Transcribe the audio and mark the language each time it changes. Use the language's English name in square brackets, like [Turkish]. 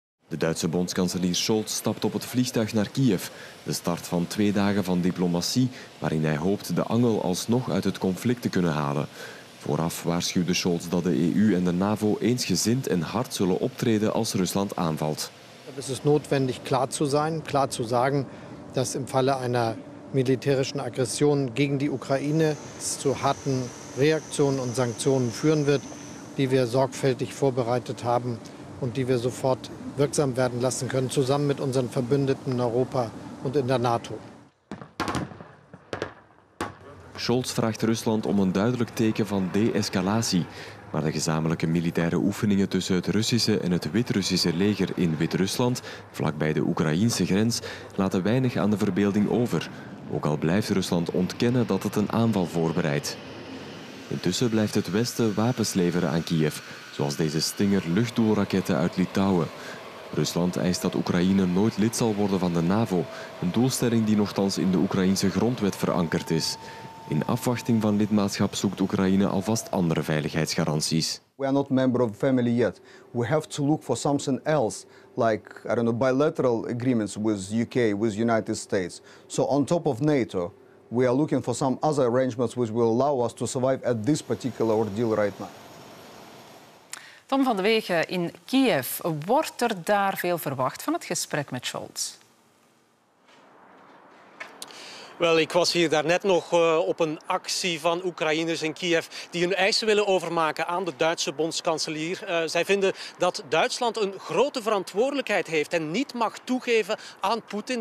[Dutch] De Duitse bondskanselier Scholz stapt op het vliegtuig naar Kiev. De start van 2 dagen van diplomatie, waarin hij hoopt de angel alsnog uit het conflict te kunnen halen. Vooraf waarschuwde Scholz dat de EU en de NAVO eensgezind en hard zullen optreden als Rusland aanvalt. Het is nodig klaar te zijn, klaar te zeggen dat [German] in falle einer militärischen Aggression gegen die Oekraïne zu harten Reaktionen und Sanktionen führen wird, die wir sorgfältig vorbereitet haben und die wir sofort wirksam werden lassen können, zusammen mit unseren Verbündeten in Europa und in der NATO. [Dutch] Scholz vraagt Rusland om een duidelijk teken van de-escalatie. Maar de gezamenlijke militaire oefeningen tussen het Russische en het Wit-Russische leger in Wit-Rusland, vlakbij de Oekraïnse grens, laten weinig aan de verbeelding over. Ook al blijft Rusland ontkennen dat het een aanval voorbereidt. Intussen blijft het Westen wapens leveren aan Kiev, zoals deze Stinger-luchtdoelraketten uit Litouwen. Rusland eist dat Oekraïne nooit lid zal worden van de NAVO, een doelstelling die nochtans in de Oekraïnse grondwet verankerd is. In afwachting van lidmaatschap zoekt Oekraïne alvast andere veiligheidsgaranties. [English] We are not member of family yet. We have to look for something else, like I don't know, bilateral agreements with UK, with United States. So on top of NATO, we are looking for some other arrangements which will allow us to survive at this particular ordeal right now. [Dutch] Tom van de Wegen in Kiev. Wordt er daar veel verwacht van het gesprek met Scholz? Wel, ik was hier daarnet nog op een actie van Oekraïners in Kiev die hun eisen willen overmaken aan de Duitse bondskanselier. Zij vinden dat Duitsland een grote verantwoordelijkheid heeft en niet mag toegeven aan Poetin.